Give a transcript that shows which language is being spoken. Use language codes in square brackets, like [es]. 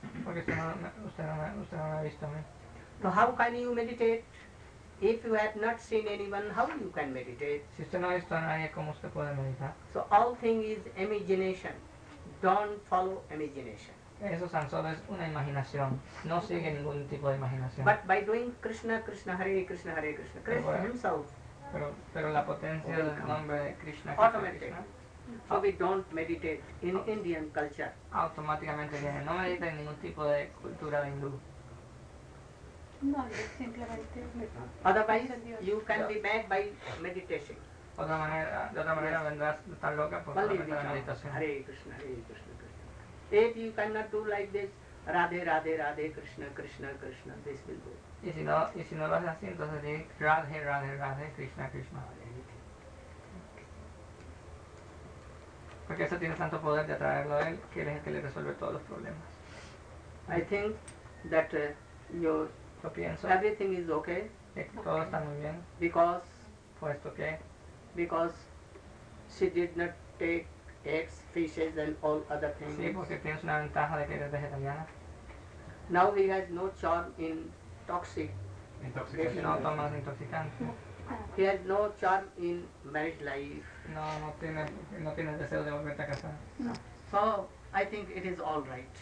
[es] Porque usted no me ha visto a mí. [en] So how can you meditate? If you have not seen anyone, how you can meditate? [es] Si usted no ha visto a nadie, ¿cómo usted puede meditar? [en] So all thing is imagination. Don't follow imagination. [es] Eso tan solo es una imaginación. No sigue ningún tipo de imaginación. [en] But by doing Krishna, Krishna, Hare Krishna, Krishna, Hare Krishna, Krishna [es] pero, [en] himself. [es] Pero la potencia del nombre de Krishna. [en] Automatically. So we don't meditate in Indian culture. [es] Automáticamente viene. No medita en ningún tipo de cultura hindú. No, simplemente [en] me otherwise, you can be bad by meditation. [es] Otra manera, de otra manera vendrás a estar loca por la meditación. [en] Hare Krishna, Hare Krishna, Krishna. If you cannot do like this, Radhe, Radhe, Radhe, Krishna, Krishna, Krishna, this will go. [es] Y si no lo haces así, entonces di Radhe, Radhe, Radhe, Krishna, Krishna. Porque eso tiene tanto poder de atraerlo a él, que él es el que le resuelve todos los problemas. [en] I think that [es] yo pienso, [en] everything is okay. [es] Todo está muy bien. [en] Because, [es] puesto que, [en] because she did not take eggs, fishes, and all other things. [es] Sí, porque tienes una ventaja de que eres vegetariana. [en] Now he has no charm in toxic. [es] No tomas intoxicante. [en] He has no charm in marriage life. [es] No tiene deseo de volverte a casar. No. [en] So I think it is all right.